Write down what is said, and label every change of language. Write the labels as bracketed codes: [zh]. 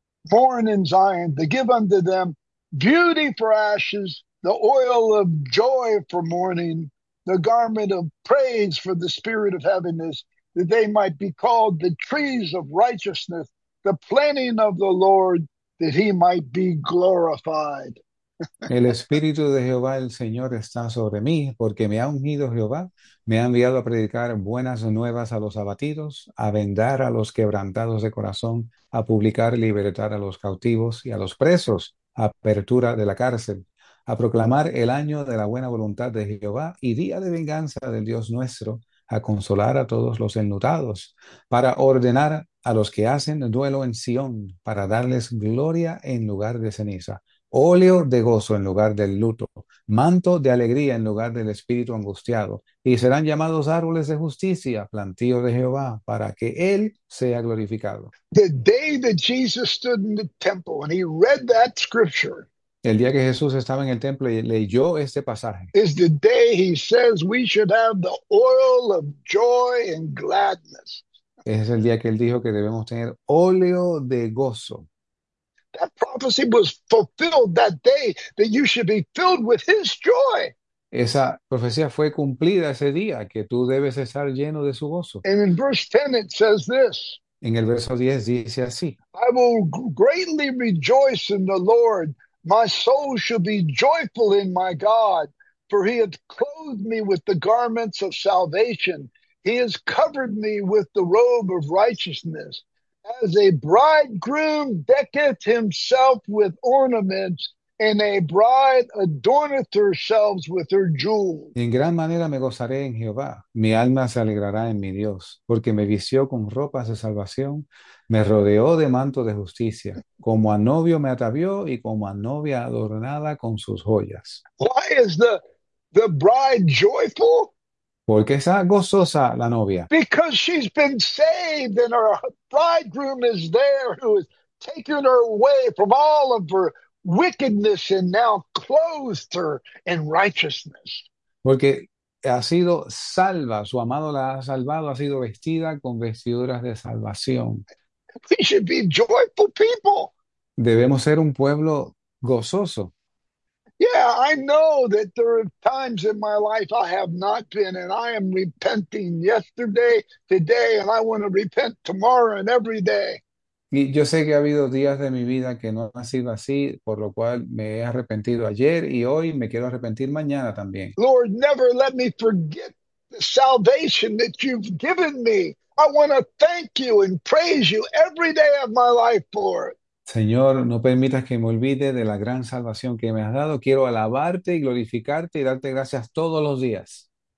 [en] mourn in Zion, to give unto them beauty for ashes, the oil of joy for mourning, the garment of praise for the spirit of heaviness, that they might be called the trees of righteousness, the planting of the Lord, that he might be glorified. [es] El Espíritu de Jehová, el Señor, está sobre mí, porque me ha ungido Jehová, me ha enviado a predicar buenas nuevas a los abatidos, a vendar a los quebrantados de corazón, a publicar libertad a los cautivos y a los presos, apertura de la cárcel, a proclamar el año de la buena voluntad de Jehová y día de venganza del Dios nuestro, a consolar a todos los enlutados, para ordenar a los que hacen duelo en Sión, para darles gloria en lugar de ceniza. Óleo de gozo en lugar del luto, manto de alegría en lugar del espíritu angustiado, y serán llamados árboles de justicia, plantío de Jehová, para que Él sea glorificado. [en] The day that Jesus stood in the temple and he read that scripture [es] El día que Jesús estaba en el templo y leyó este pasaje. [en] is the day he says we should have the oil of joy and gladness. [es] Ese es el día que Él dijo que debemos tener óleo de gozo. [en] That prophecy was fulfilled that day, that you should be filled with his joy. [es] Esa profecía fue cumplida ese día, que tú debes estar lleno de su gozo. [en] And in verse 10 it says this: [es] En el verso 10 dice así. [en] I will greatly rejoice in the Lord. My soul shall be joyful in my God, for he hath clothed me with the garments of salvation. He has covered me with the robe of righteousness. As a bridegroom decketh himself with ornaments, and a bride adorneth herself with her jewels. [es] En gran manera me gozaré en Jehová, mi alma se alegrará en mi Dios, porque me vistió con ropas de salvación, me rodeó de manto de justicia, como a novio me atavió y como a novia adornada con sus joyas. [en] Why is the bride joyful? [es] ¿Por qué está gozosa la novia? [en] Because she's been saved and her bridegroom is there, who has taken her away from all of her wickedness and now clothed her in righteousness. [es] Porque ha sido salva, su amado la ha salvado, ha sido vestida con vestiduras de salvación. [en] We should be joyful people. [es] Debemos ser un pueblo gozoso. [en] Yeah, I know that there are times in my life I have not been, and I am repenting yesterday, today, and I want to repent tomorrow and every day. [es] Y yo sé que ha habido días de mi vida que no ha sido así, por lo cual me he arrepentido ayer y hoy me quiero arrepentir mañana también. [en] Lord, never let me forget the salvation that you've given me. I want to thank you and praise you every day of my life for it. [es] Señor, no permitas que me olvide de la gran salvación que me has dado. Quiero alabarte y glorificarte y darte gracias todos los días.